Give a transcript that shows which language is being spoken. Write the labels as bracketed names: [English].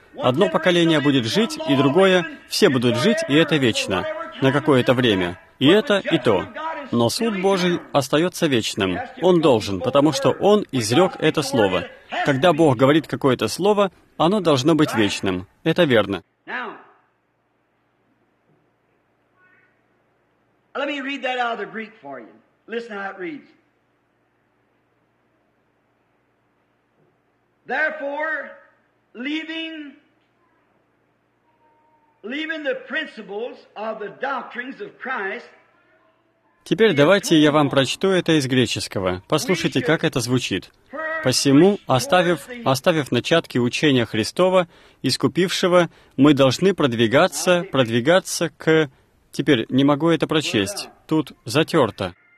[Russian] Одно поколение будет жить, и другое. Все будут жить, и это вечно. На какое-то время. И это, и то. Но суд Божий остается вечным. Он должен, потому что Он изрек это слово. Когда Бог говорит какое-то слово, оно должно быть вечным. Это верно. [English] Let me read that out of the Greek for you. Listen how it reads. Therefore, leaving the principles of the doctrines of Christ. [Russian] Теперь давайте я вам прочту это из греческого. Послушайте, как это звучит. «Посему, оставив начатки учения Христова, искупившего, мы должны продвигаться к...» Теперь не могу это прочесть. Тут затерто.